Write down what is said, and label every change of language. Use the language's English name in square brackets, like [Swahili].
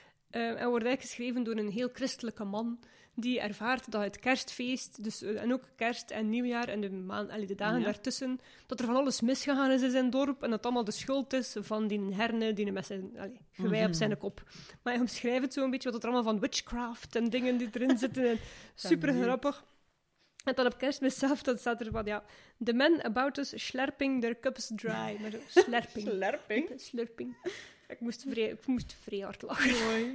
[Dutch] En wordt eigenlijk geschreven door een heel christelijke man die ervaart dat het kerstfeest, dus, en ook kerst en nieuwjaar en de dagen daartussen, dat er van alles misgegaan is in zijn dorp en dat het allemaal de schuld is van die Herne, die met zijn gewei op zijn kop. Maar hij omschrijft zo'n beetje wat er allemaal van witchcraft en dingen die erin zitten. En super grappig. En dan op kerstmis zelf, dat staat er van, ja... [English] The men about us slurping their cups dry. [Dutch] Maar slurping. Slurping? Slurping. Ik moest vrij hard lachen.